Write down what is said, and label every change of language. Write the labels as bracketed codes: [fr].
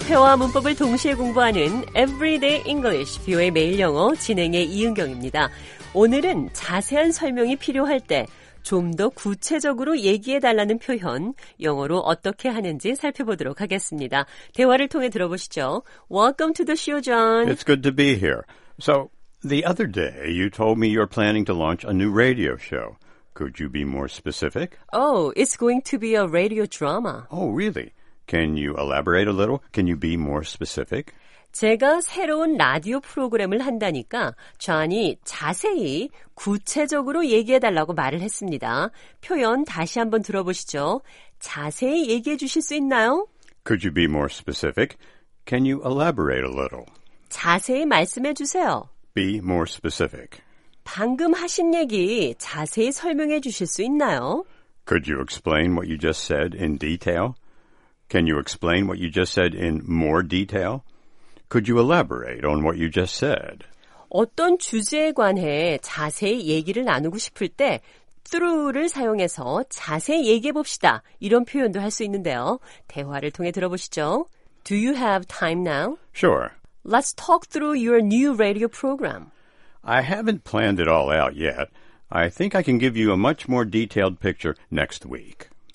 [ko] 회화 문법을 동시에 공부하는 Everyday English, 뷰의 매일 영어 진행의 이은경입니다. 오늘은 자세한 설명이 필요할 때 좀 더 구체적으로 얘기해달라는 표현, 영어로 어떻게 하는지 살펴보도록 하겠습니다. 대화를 통해 들어보시죠. [en] Welcome to the show, John. It's good to be here. So, the other day, you told me you're planning to launch a new radio show. Could you be more specific? Oh, it's going to be a radio drama. Oh, really? Can you elaborate a little? Can you be more specific? [ko] 제가 새로운 라디오 프로그램을 한다니까 존이 자세히 구체적으로 얘기해달라고 말을 했습니다. 표현 다시 한번 들어보시죠. 자세히 얘기해 주실 수 있나요? [en] Could you be more specific? Can you elaborate a little? [ko] 자세히 말씀해 주세요. [en] Be more specific. [ko] 방금 하신 얘기 자세히 설명해 주실 수 있나요? [en] Could you explain what you just said in detail? Can you explain what you just said in more detail? Could you elaborate on what you just said? [ko] 어떤 주제에 관해 자세히 얘기를 나누고 싶을 때 through를 사용해서 자세히 얘기해 봅시다. 이런 표현도 할 수 있는데요. 대화를 통해 들어보시죠. [en] Do you have time now? Sure. Let's talk through your new radio program. I haven't planned it all out yet. I think I can give you a much more detailed picture next week.